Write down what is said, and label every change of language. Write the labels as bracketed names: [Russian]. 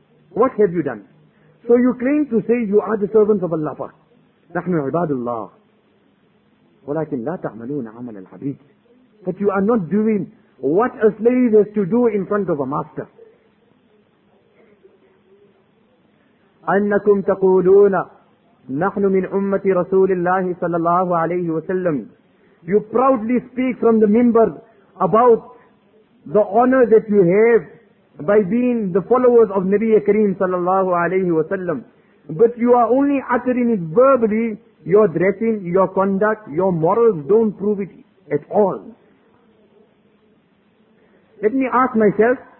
[English] What have you done? So you claim to say you are the servants of Allah Pak. [Arabic] نَحْنُ عِبَادُ اللَّهِ وَلَكِنْ لَا تَعْمَلُونَ عَمَلَ الْحَبِيدِ [English] But you are not doing what a slave has to do in front of a master. [Arabic] أَنَّكُمْ تَقُولُونَ نحن من أمة رسول الله صلى الله عليه وسلم. [English] You proudly speak from the minbar about the honor that you have by being the followers of Nabi Kareem صلى الله عليه وسلم. But you are only uttering it verbally. Your dressing, your conduct, your morals don't prove it at all. Let me ask myself,